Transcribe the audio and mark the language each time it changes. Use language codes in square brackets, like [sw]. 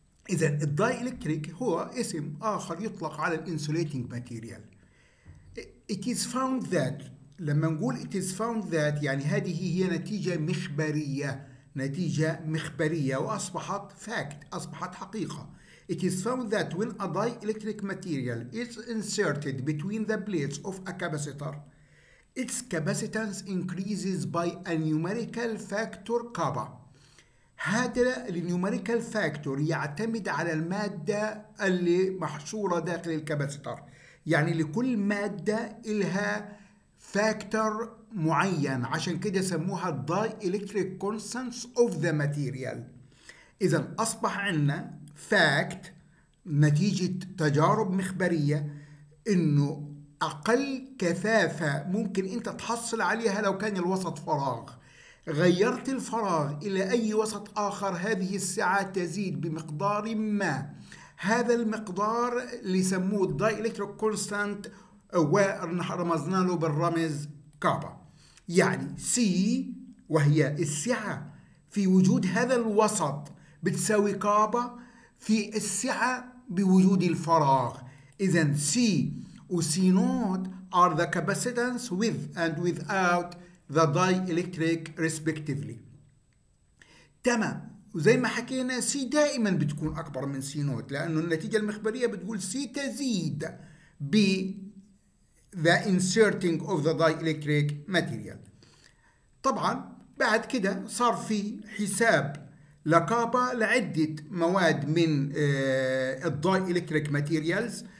[ar] إذا الداي إلكتريك هو اسم آخر يطلق على الإنسوليتنج ماتيريال. [en] It is found that، [ar] لما نقول it is found that يعني هذه هي نتيجة مخبرية، نتيجة مخبرية وأصبحت fact، أصبحت حقيقة. [en] It is found that when a dielectric material is inserted between the plates of a capacitor, its capacitance increases by a numerical factor kappa. [ar] هذا النيوميريكال فاكتور يعتمد على المادة اللي محشورة داخل الكاباسيتر، يعني لكل مادة إلها فاكتور معين، عشان كده سموها داي إلكتريك كونستانس أوف ذا ماتيريال. إذا أصبح عندنا فاكت نتيجة تجارب مخبرية إنه أقل كثافة ممكن أنت تحصل عليها لو كان الوسط فراغ. غيرت الفراغ إلى أي وسط آخر، هذه السعة تزيد بمقدار ما، هذا المقدار اللي يسموه الداي إلكتريك كونستانت ورمزنا له بالرمز كابا. يعني سي وهي السعة في وجود هذا الوسط بتساوي كابا في السعة بوجود الفراغ. إذن سي و سي نوت [en] are the capacitance with and without the dielectric respectively. [ar] تمام. وزي ما حكينا سي دائما بتكون اكبر من سي نوت، لانه النتيجه المخبريه بتقول سي تزيد ب [en] the inserting of the dielectric material. [ar] طبعا بعد كده صار في حساب لكابا لعده مواد من الدايلكتريك ماتيريالز.